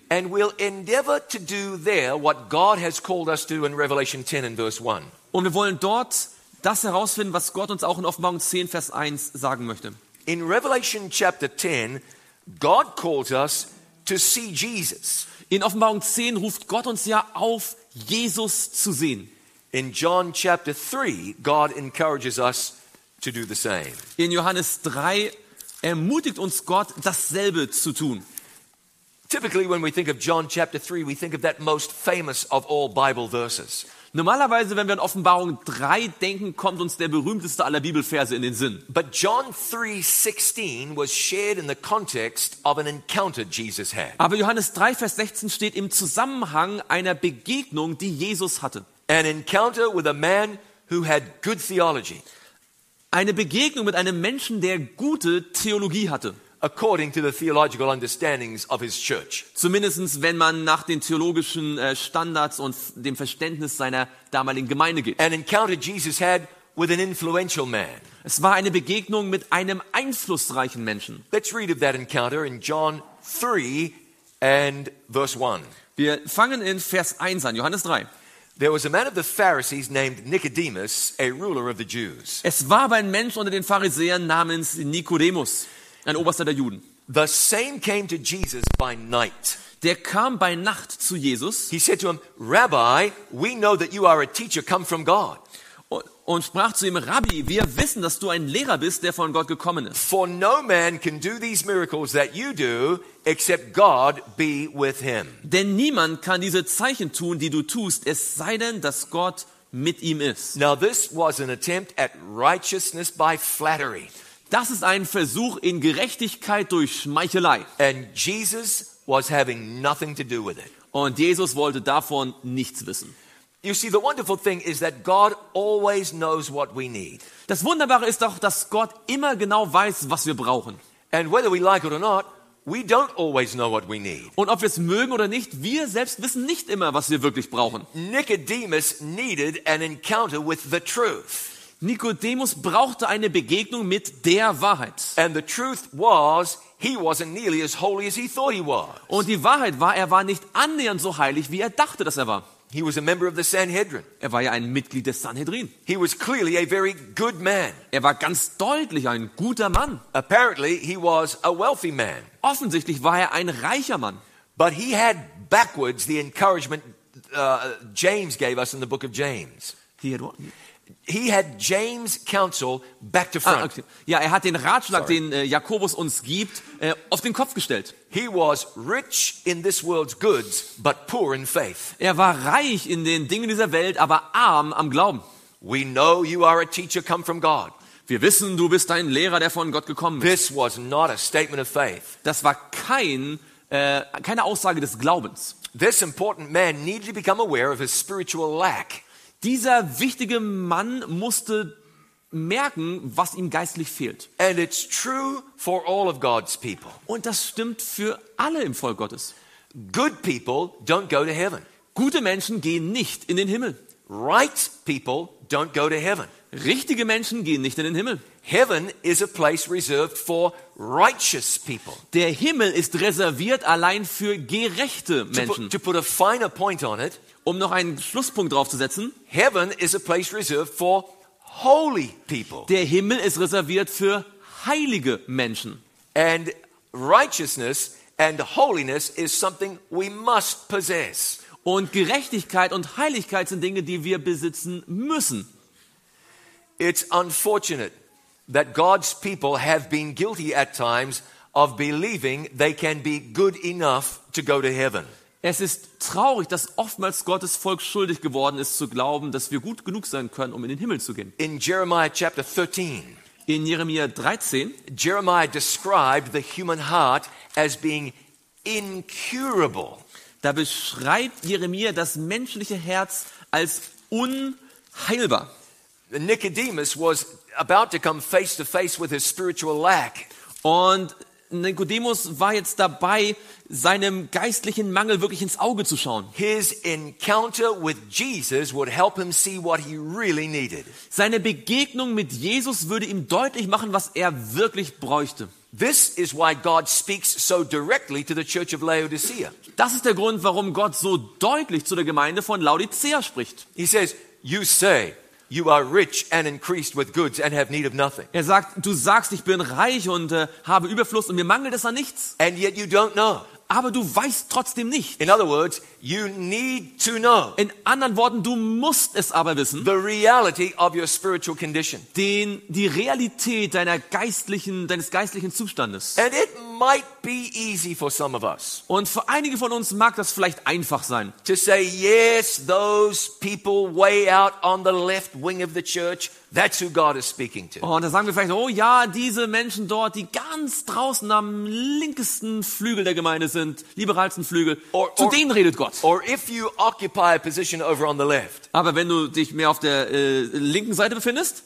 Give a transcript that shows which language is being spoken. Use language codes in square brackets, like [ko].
[en] And we'll endeavor to do there what God has called us to in Revelation 10 and verse 1. [de] Und wir wollen dort das herausfinden, was Gott uns auch in Offenbarung 10 Vers 1 sagen möchte. [en] In Revelation chapter 10, God calls us to see Jesus. [de] In Offenbarung 10 ruft Gott uns ja auf, Jesus zu sehen. [en] In John chapter 3, God encourages us to do the same. [de] In Johannes 3 ermutigt uns Gott, dasselbe zu tun. [en] Typically when we think of John chapter 3, we think of that most famous of all Bible verses. [de] Normalerweise, wenn wir an Offenbarung 3 denken, kommt uns der berühmteste aller Bibelverse in den Sinn. [en] But John 3:16 was shared in the context of an encounter Jesus had. [de] Aber Johannes 3 Vers 16 steht im Zusammenhang einer Begegnung, die Jesus hatte. [en] An encounter with a man who had good theology. [de] Eine Begegnung mit einem Menschen, der gute Theologie hatte. [en] According to the theological understandings of his church. [de] Zumindest wenn man nach den theologischen Standards und dem Verständnis seiner damaligen Gemeinde geht. [en] An encounter Jesus had with an influential man. [de] Es war eine Begegnung mit einem einflussreichen Menschen. [en] Let's read of that encounter in John 3 and verse 1. [de] Wir fangen in Vers 1 an, Johannes 3. [en] There was a man of the Pharisees named Nicodemus, a ruler of the Jews. [de] Es war aber ein Mensch unter den Pharisäern namens Nikodemus, ein Oberster der Juden. [en] The same came to Jesus by night. [de] Der kam bei Nacht zu Jesus. [en] He said to him, Rabbi, we know that you are a teacher come from God. [de] Und sprach zu ihm, Rabbi, wir wissen, dass du ein Lehrer bist, der von Gott gekommen ist. [en] For no man can do these miracles that you do, except God be with him. [de] Denn niemand kann diese Zeichen tun, die du tust, es sei denn, dass Gott mit ihm ist. [en] Now this was an attempt at righteousness by flattery. [de] Das ist ein Versuch in Gerechtigkeit durch Schmeichelei. [en] And Jesus was having nothing to do with it. [de] Und Jesus wollte davon nichts wissen. [en] You see, the wonderful thing is that God always knows what we need. [de] Das Wunderbare ist doch, dass Gott immer genau weiß, was wir brauchen. [en] And whether we like it or not, we don't always know what we need. [de] Und ob wir es mögen oder nicht, wir selbst wissen nicht immer, was wir wirklich brauchen. [en] Nicodemus needed an encounter with the truth. [de] Nikodemus brauchte eine Begegnung mit der Wahrheit. [en] And the truth was, he wasn't nearly as holy as he thought he was. [de] Und die Wahrheit war, er war nicht annähernd so heilig, wie er dachte, dass er war. [en] He was a member of the Sanhedrin. [de] Er war ja ein Mitglied des Sanhedrin. [en] He was clearly a very good man. [de] Er war ganz deutlich ein guter Mann. [en] Apparently he was a wealthy man. [de] Offensichtlich war er ein reicher Mann. [en] But he had backwards the encouragement James gave us in the book of James. He had what? He had James counsel back to front. Okay. [de] Ja, er hat den Ratschlag, den Jakobus uns gibt, auf den Kopf gestellt. [en] He was rich in this world's goods, but poor in faith. [de] Er war reich in den Dingen dieser Welt, aber arm am Glauben. [en] We know you are a teacher come from God. [de] Wir wissen, du bist ein Lehrer, der von Gott gekommen ist. [en] This was not a statement of faith. [de] Das war keine Aussage des Glaubens. [en] This important man needed to become aware of his spiritual lack. [de] Dieser wichtige Mann musste merken, was ihm geistlich fehlt. [en] And it's true for all of God's people. [de] Und das stimmt für alle im Volk Gottes. [en] Good people don't go to heaven. [de] Gute Menschen gehen nicht in den Himmel. [en] Right people don't go to heaven. [de] Richtige Menschen gehen nicht in den Himmel. [en] Heaven is a place reserved for righteous people. [de] Der Himmel ist reserviert allein für gerechte Menschen. [en] To put a finer point on it, [de] um noch einen Schlusspunkt draufzusetzen. [en] Heaven is a place reserved for holy people. [de] Der Himmel ist reserviert für heilige Menschen. [en] And righteousness and holiness is something we must possess. [de] Und Gerechtigkeit und Heiligkeit sind Dinge, die wir besitzen müssen. [en] It's unfortunate that God's people have been guilty at times of believing they can be good enough to go to heaven. [de] Es ist traurig, dass oftmals Gottes Volk schuldig geworden ist zu glauben, dass wir gut genug sein können, um in den Himmel zu gehen. [en] In Jeremiah chapter 13. [de] In Jeremia 13. [en] Jeremiah described the human heart as being incurable. [de] Da beschreibt Jeremia das menschliche Herz als unheilbar. [en] Nicodemus was about to come face to face with his spiritual lack. [de] Und Nikodemus war jetzt dabei, seinem geistlichen Mangel wirklich ins Auge zu schauen. [en] His encounter with Jesus would help him see what he really needed. [de] Seine Begegnung mit Jesus würde ihm deutlich machen, was er wirklich bräuchte. [en] This is why God speaks so directly to the church of Laodicea. [de] Das ist der Grund, warum Gott so deutlich zu der Gemeinde von Laodicea spricht. [en] He says, "You say, you are rich and increased with goods and have need of nothing." [de] Er sagt, du sagst, ich bin reich und habe Überfluss und mir mangelt es an nichts. [en] And yet you don't know. [de] Aber du weißt trotzdem nicht. [en] In other words, you need to know. [de] In anderen Worten, du musst es aber wissen. [en] The reality of your spiritual condition. [de] Die Realität deines geistlichen Zustandes. [en] And it might be easy for some of us. [de] Und für einige von uns mag das vielleicht einfach sein. [en] To say yes, those people way out on the left wing of the church, that's who God is speaking to. [de] Und da sagen wir vielleicht, oh ja, diese Menschen dort, die ganz draußen am linkesten Flügel der Gemeinde sind, liberalsten Flügel, zu denen redet Gott. [en] Or if you occupy a position over on the left. [de] Aber wenn du dich mehr auf der linken Seite befindest,